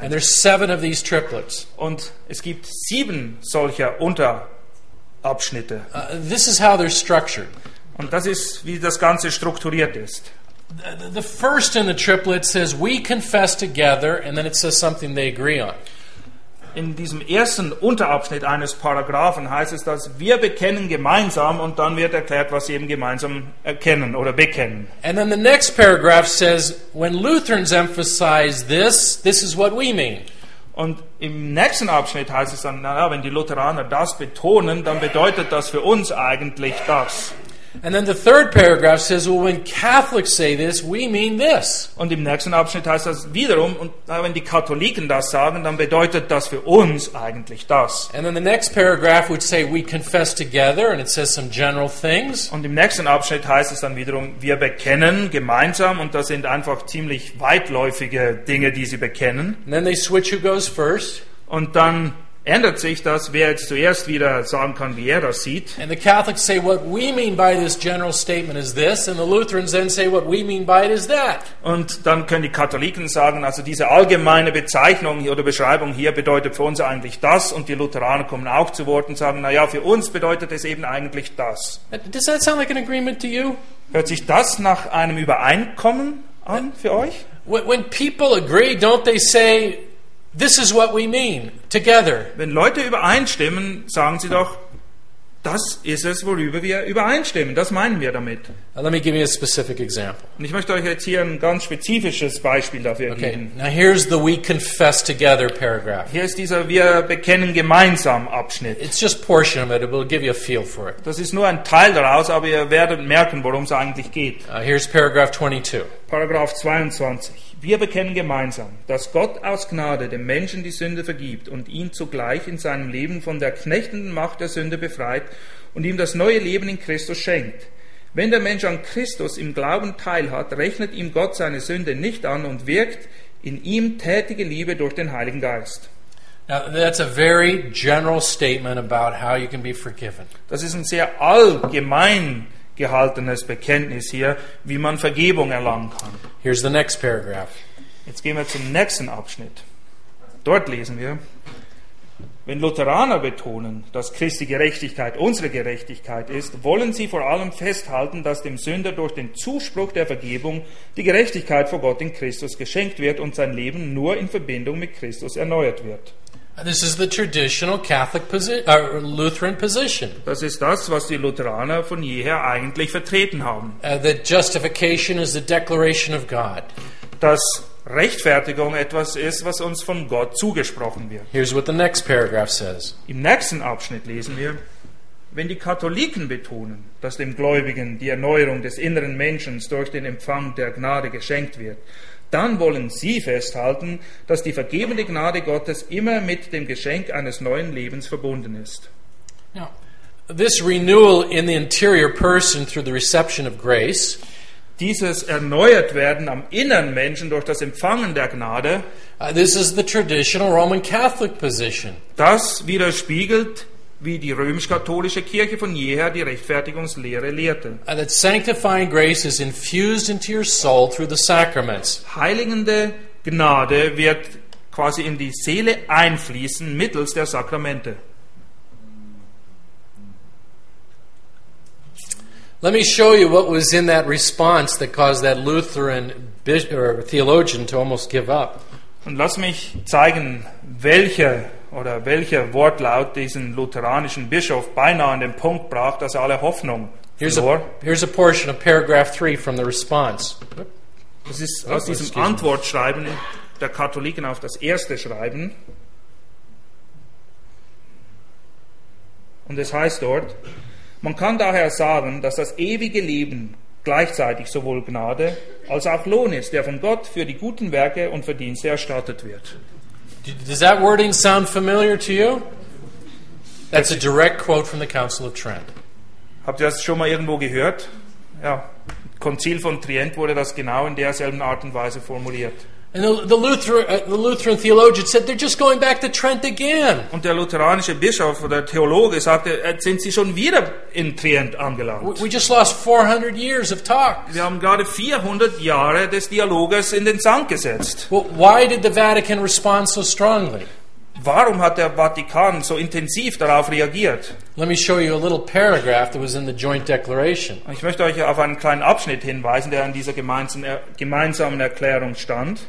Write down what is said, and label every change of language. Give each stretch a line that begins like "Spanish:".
English: And there's seven of these triplets.
German: Und es gibt sieben solcher Unterabschnitte.
English: This is how they're structured.
German: Und das ist, wie das Ganze strukturiert ist.
English: The first in the triplet says, we confess together, and then it says something they agree on.
German: In diesem ersten Unterabschnitt eines Paragraphen heißt es, dass wir bekennen gemeinsam und dann wird erklärt, was sie eben gemeinsam erkennen oder bekennen.
English: And then the next paragraph says, when Lutherans emphasize this, this is what we mean.
German: Und im nächsten Abschnitt heißt es dann, naja, wenn die Lutheraner das betonen, dann bedeutet das für uns eigentlich das.
English: And then the third paragraph says, well, when Catholics say this, we mean this.
German: Und im nächsten Abschnitt heißt das wiederum, und wenn die Katholiken das sagen, dann bedeutet das für uns eigentlich das.
English: And then the next paragraph would say, we confess together, and it says some general things.
German: Und im nächsten Abschnitt heißt es dann wiederum, wir bekennen gemeinsam, und das sind einfach ziemlich weitläufige Dinge, die sie bekennen.
English: And then they switch who goes first.
German: Und dann ändert sich das, wer jetzt zuerst wieder sagen kann, wie er das sieht.
English: And the Catholics say what we mean by this general statement is this, and the Lutherans then say what we mean by it is that.
German: Und dann können die Katholiken sagen, also diese allgemeine Bezeichnung oder Beschreibung hier bedeutet für uns eigentlich das, und die Lutheraner kommen auch zu Wort und sagen, naja, für uns bedeutet es eben eigentlich das.
English: Does that sound like an agreement to you?
German: Hört sich das nach einem Übereinkommen an für euch?
English: When people agree, don't they say, this is what we mean, together.
German: Wenn Leute übereinstimmen, sagen sie doch, das ist es, worüber wir übereinstimmen. Das meinen wir damit.
English: Let me give you a specific example.
German: Und ich möchte euch jetzt hier ein ganz spezifisches Beispiel dafür okay. geben.
English: Now here's the we confess together paragraph.
German: Hier ist dieser wir bekennen gemeinsam Abschnitt.
English: It's just portion of it, but it'll give you a feel for it.
German: Das ist nur ein Teil daraus, aber ihr werdet merken, worum es eigentlich geht.
English: Here's paragraph 22.
German: Paragraph 22. Wir bekennen gemeinsam, dass Gott aus Gnade dem Menschen die Sünde vergibt und ihn zugleich in seinem Leben von der knechtenden Macht der Sünde befreit und ihm das neue Leben in Christus schenkt. Wenn der Mensch an Christus im Glauben teilhat, rechnet ihm Gott seine Sünde nicht an und wirkt in ihm tätige Liebe durch den Heiligen Geist.
English: Now, that's a very general statement about how you can be forgiven.
German: Das ist ein sehr allgemein gehaltenes Bekenntnis hier, wie man Vergebung erlangen kann.
English: Here's the next paragraph.
German: Jetzt gehen wir zum nächsten Abschnitt. Dort lesen wir, wenn Lutheraner betonen, dass Christi Gerechtigkeit unsere Gerechtigkeit ist, wollen sie vor allem festhalten, dass dem Sünder durch den Zuspruch der Vergebung die Gerechtigkeit vor Gott in Christus geschenkt wird und sein Leben nur in Verbindung mit Christus erneuert wird.
English: This is the traditional Catholic Lutheran position.
German: Das ist das, was die Lutheraner von jeher eigentlich vertreten haben.
English: That justification is the declaration of God.
German: Dass Rechtfertigung etwas ist, was uns von Gott zugesprochen wird.
English: Here's what the next paragraph says.
German: Im nächsten Abschnitt lesen wir, wenn die Katholiken betonen, dass dem Gläubigen die Erneuerung des inneren Menschen durch den Empfang der Gnade geschenkt wird, dann wollen Sie festhalten, dass die vergebende Gnade Gottes immer mit dem Geschenk eines neuen Lebens verbunden ist.
English: Now, this renewal in the interior person through the reception of grace,
German: dieses Erneuertwerden am inneren Menschen durch das Empfangen der Gnade,
English: this is the traditional Roman Catholic position.
German: Das widerspiegelt, wie die römisch-katholische Kirche von jeher die Rechtfertigungslehre lehrte.
English: That sanctifying grace is infused into your soul through the sacraments.
German: Heiligende Gnade wird quasi in die Seele einfließen mittels der Sakramente.
English: Let me show you what was in that response that caused that Lutheran theologian to almost give up.
German: Und lass mich zeigen, welcher Wortlaut diesen lutheranischen Bischof beinahe an den Punkt brachte, dass er alle Hoffnung verlor.
English: Here's a portion of paragraph 3 from the response.
German: Das ist aus diesem Antwortschreiben der Katholiken auf das erste Schreiben. Und es heißt dort, man kann daher sagen, dass das ewige Leben gleichzeitig sowohl Gnade als auch Lohn ist, der von Gott für die guten Werke und Verdienste erstattet wird.
English: Does that wording sound familiar to you? That's a direct quote from the Council of Trent.
German: Habt ihr das schon mal irgendwo gehört? Ja, Konzil von Trient wurde das genau in derselben Art und Weise formuliert.
English: And the Lutheran theologian said they're just going back to Trent again.
German: Und der lutheranische Bischof oder Theologe sagte, sind sie schon wieder in Trent angelangt?
English: We just lost 400 years of talks.
German: Wir haben gerade 400 Jahre des Dialoges in den Sand gesetzt.
English: Well, why did the Vatican respond so strongly?
German: Warum hat der Vatikan so intensiv darauf reagiert?
English: Let me show you a little paragraph that was in the joint declaration.
German: Ich möchte euch auf einen kleinen Abschnitt hinweisen, der in dieser gemeinsamen Erklärung stand.